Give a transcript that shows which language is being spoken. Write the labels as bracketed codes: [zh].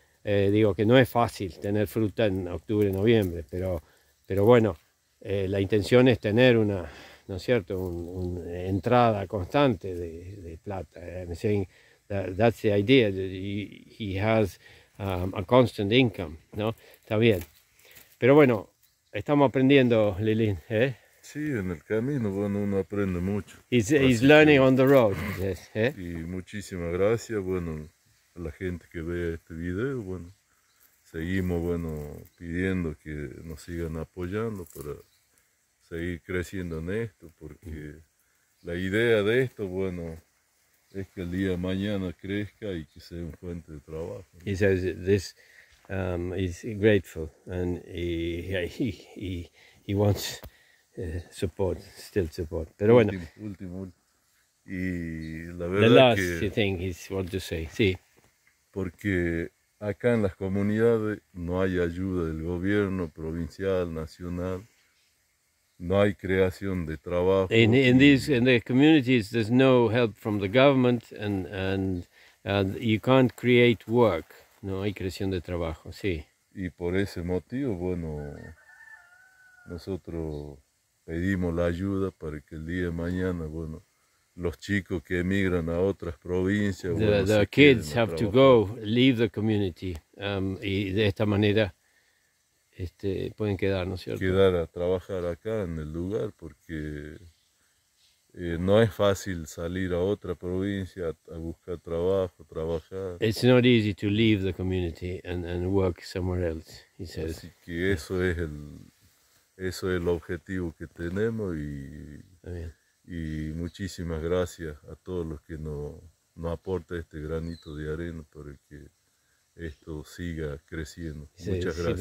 [es] Digo que no es fácil tener fruta en octubre, noviembre, pero bueno, la intención es tener una, ¿no es cierto?, un entrada constante de plata. [en] I'm saying that's the idea, that he has a constant income, ¿no? [es] Está bien. Pero bueno, estamos aprendiendo, Lilín, ¿eh? Sí, en el camino, bueno, uno aprende mucho. [en] He's learning on the road, yes. ¿Eh? [es] Y muchísimas gracias, bueno, a la gente que vea este video, bueno, seguimos, bueno, pidiendo que nos sigan apoyando para seguir creciendo en esto, porque la idea de esto, bueno, es que el día de mañana crezca y que sea un fuente de trabajo. [en] He says this is grateful and he wants support, still support. [es] Pero bueno, y la verdad, [en] the last [es] que [en] thing is what to say. Sí. [es] Porque acá en las comunidades no hay ayuda del gobierno provincial, nacional. No hay creación de trabajo. [en] In the communities, there's no help from the government, and you can't create work. [es] No hay creación de trabajo, sí. Y por ese motivo, bueno, nosotros pedimos la ayuda para que el día de mañana, bueno, los chicos que emigran a otras provincias, [en] the, [es] bueno, [en] the kids have to go, leave the community, [es] y de esta manera pueden quedar, ¿no es cierto? Quedar a trabajar acá en el lugar, porque no es fácil salir a otra provincia a buscar trabajo, trabajar. [en] It's not easy to leave the community and work somewhere else, he says. [es] Así que eso es el objetivo que tenemos, y muchísimas gracias a todos los que nos aporta este granito de arena para que esto siga creciendo. Muchas gracias.